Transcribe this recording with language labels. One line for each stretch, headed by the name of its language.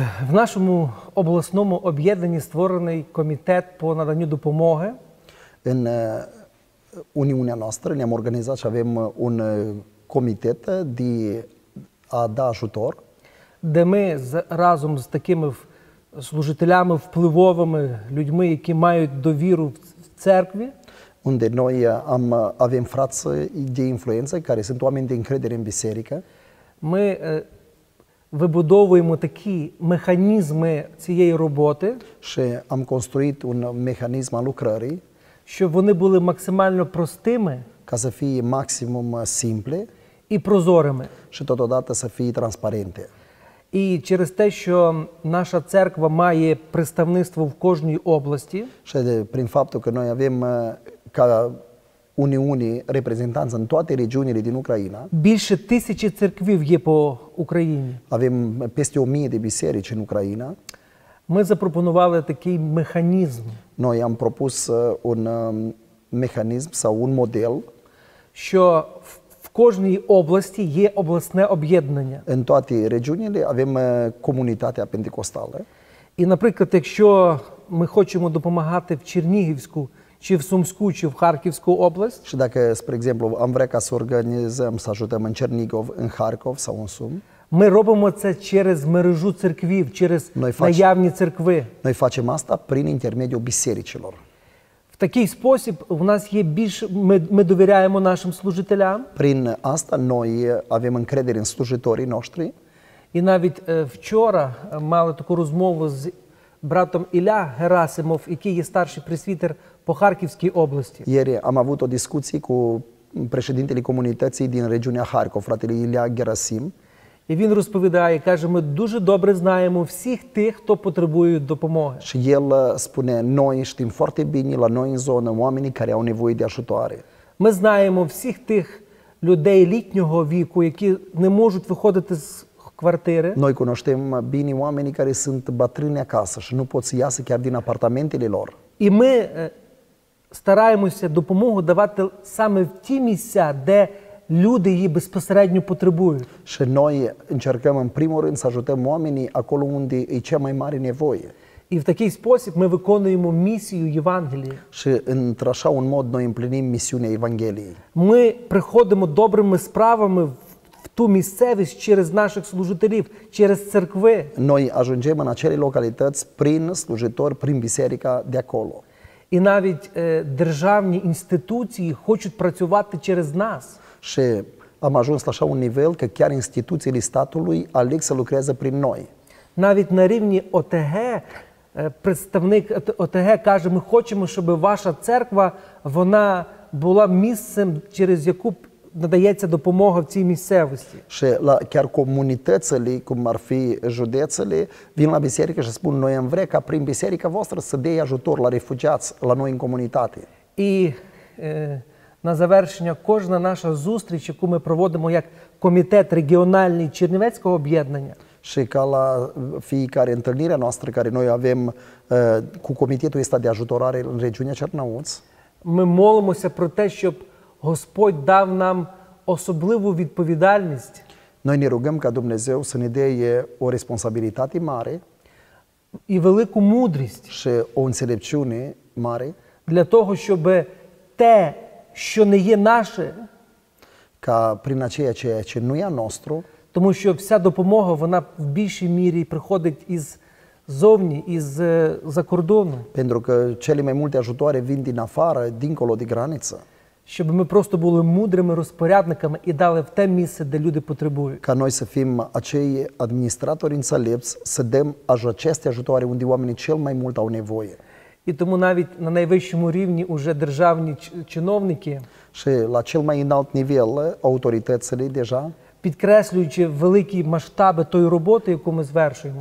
Russian: В нашем областном объединении
Ukrainian: створен комитет по наданию допомоги.
Romanian: În Uniunea noastră ne-am organizat și avem un comitet de a da ajutor.
Ukrainian: Де ми разом з такими служителями впливовими, людьми, які мають довіру в церкві,
Romanian: unde noi avem frați de influență, care sunt oameni de încredere în biserică.
Ukrainian: Ми вибудовуємо такі механізми цієї роботи.
Romanian: Și am construit un mecanism al lucrării.
Ukrainian: Щоб вони були максимально простими.
Romanian: Ca să fie maximum simple.
Ukrainian: І прозорими.
Romanian: Și totodată să fie transparente.
Ukrainian: І через те, що наша церква має представництво в кожній області.
Romanian: Și prin faptul că noi avem ca uniuni reprezentanță în toate regiunile din Ucraina.
Ukrainian: Більше тисячі церквів є по Україні.
Romanian: Avem peste 1000 de biserici în Ucraina.
Ukrainian: Ми запропонували такий механізм.
Romanian: Noi am propus un mecanism sau un model,
Ukrainian: що в кожній області є обласне об'єднання.
Romanian: În toate regiunile avem comunitatea pentecostală.
Ukrainian: І, наприклад, якщо ми хочемо допомагати в Чернігівську чи в Сумську, чи в Харківську область.
Romanian: Și dacă, spre exemplu, am vrea ca să organizăm, să ajutăm în Чернігів, în Харків sau în Сум.
Ukrainian: Ми робимо це через мережу церквів, через наявні церкви.
Romanian: Noi facem asta prin intermediul bisericilor.
Ukrainian: В такий спосіб у нас є більш, ми довіряємо нашим служителям.
Romanian: Prin asta noi avem încredere în slujitorii noștri.
Ukrainian: І навіть вчора мали таку розмову з братом Ілля Герасимов, який є старший пресвітер по Харківській області.
Romanian: Ieri am avut o discuție cu președintele comunității din regiunea Harkov, fratele Ilia Gerasim.
Ukrainian: І він розповідає, каже, ми дуже добре знаємо всіх тих, хто потребує допомоги.
Romanian: Și el spune, noi știm foarte bine la noi în zonă oamenii care au nevoie de ajutoare.
Ukrainian: Ми знаємо всіх тих людей літнього віку, які не можуть виходити з квартири.
Romanian: Noi cunoștem bine oamenii care sunt bătrâni acasă și nu pot să iasă chiar din apartamentele lor.
Ukrainian: І ми стараємося допомогу давати саме в ті місця, де люди її безпосередньо потребують.
Romanian: Și noi încercăm în primul rând să ajutăm oamenii acolo unde e cea mai mare nevoie.
Ukrainian: І в такий спосіб ми виконуємо місію Євангелії.
Romanian: Și într-așa un mod noi împlinim misiunea Evangheliei.
Ukrainian: Ми приходимо добрими справами в ту місцевість через наших служителів, через церкви.
Romanian: Noi ajungem în acele localități prin slujitori, prin biserica de acolo.
Ukrainian: І навіть державні інституції хочуть працювати через нас.
Romanian: Și am ajuns la așa un nivel că chiar instituțiile statului aleg să lucreze prin noi.
Ukrainian: Навіть на рівні ОТГ представник ОТГ каже, ми хочемо, щоб ваша церква, вона була місцем, через яку надається допомога в цій місцевості.
Romanian: Și la chiar comunitățile, cum ar fi județele, vin la biserică și spun, noi am vrea ca prin biserica voastră să dea ajutor la refugiați, la noi în comunitate.
Ukrainian: І на завершення кожна наша зустріч, яку ми проводимо як комітет регіональний Чернівецького об'єднання.
Romanian: Și ca la fiecare întâlnire noastră care noi avem cu comitetul ăsta de ajutorare în regiunea Cernăuț.
Ukrainian: Ми молимося про те, щоб Господь дав нам особливу відповідальність.
Romanian: Noi ne rugăm ca Dumnezeu să ne dea o responsabilitate mare.
Ukrainian: І велику мудрість.
Romanian: Și o înțelepciune mare.
Ukrainian: Для того, щоб те, що не є наше,
Romanian: ca prin aceea ce nu e nostru,
Ukrainian: тому що вся допомога, вона в більшій мірі приходить із зовні, із за кордону.
Romanian: Pentru că cele mai multe ajutoare vin din afară, dincolo de graniță.
Ukrainian: Щоб ми просто були мудрими розпорядниками і дали в те місце, де люди потребують.
Romanian: Ca noi să fim acei administratori înțelepți, să dăm aceste ajutoare unde oamenii cel mai mult au nevoie.
Ukrainian: І тому навіть на найвищому рівні уже державні чиновники,
Romanian: și la cel mai înalt nivel, autoritățile deja,
Ukrainian: підкреслюючи великі масштаби тої роботи, яку ми звершуємо,